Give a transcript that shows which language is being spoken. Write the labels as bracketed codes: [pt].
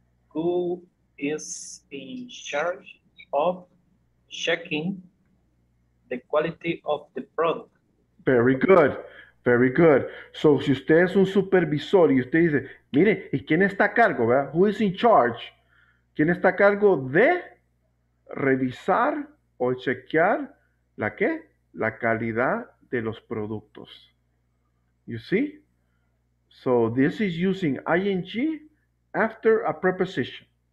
[en] Who is in charge of checking the quality of the product? Very good, very good. [es] So, si usted es un supervisor y usted dice, mire, ¿y quién está a cargo, verdad? [en] Who is in charge? [es] ¿Quién está a cargo de revisar o chequear la qué? La calidad de los productos. [en] You see? So this is using ing after a preposition.